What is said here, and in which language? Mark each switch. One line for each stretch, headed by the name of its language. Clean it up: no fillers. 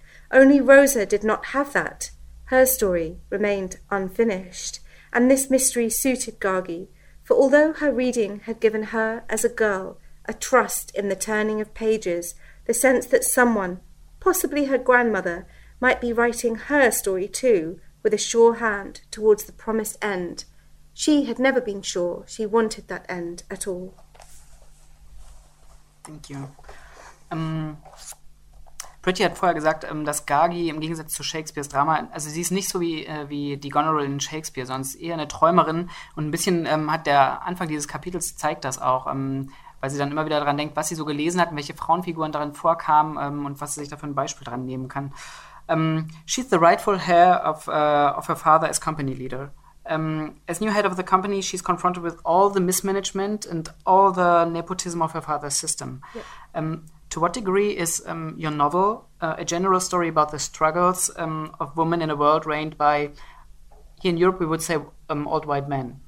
English: Only Rosa did not have that. Her story remained unfinished, and this mystery suited Gargi, for although her reading had given her as a girl, a trust in the turning of pages, the sense that someone, possibly her grandmother, might be writing her story too, with a sure hand towards the promised end. She had never been sure she wanted that end at all. Thank you.
German: Pretty hat vorher gesagt, dass Gargi im Gegensatz zu Shakespeares Drama, also sie ist nicht so wie die Goneril in Shakespeare, sondern eher eine Träumerin. Und ein bisschen hat der Anfang dieses Kapitels zeigt das auch, weil sie dann immer wieder daran denkt, was sie so gelesen hat und welche Frauenfiguren darin vorkamen und was sie sich dafür ein Beispiel dran nehmen kann.
English: She's the rightful heir of her father as company leader. As new head of the company, she's confronted with all the mismanagement and all the nepotism of her father's system. To what degree is your novel a general story about the struggles of women in a world reigned by, here in Europe we would say, old white men?